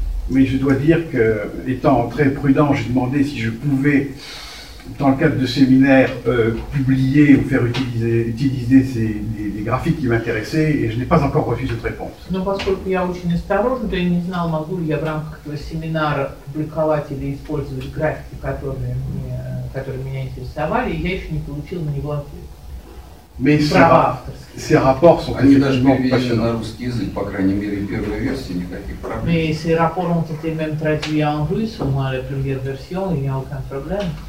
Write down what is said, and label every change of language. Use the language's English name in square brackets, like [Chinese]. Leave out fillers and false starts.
[French] Mais je dois dire que, étant très prudent, j'ai demandé si je pouvais, dans le cadre de séminaires, publier ou faire utiliser les graphiques qui m'intéressaient, et je n'ai pas encore reçu cette réponse. [Russian] Но поскольку я очень осторожен, то я не знал, могу ли я в рамках этого семинара публиковать или использовать графики, которые меня интересовали, и я еще не получил на него ответ. [French] Mais права ces rapports sont [Russian] они даже переведены на русский язык, по крайней мере, первая версия, никаких проблем. [French] Mais ces rapports ont été même traduits en russe, au moins la première version, il n'y a aucun problème.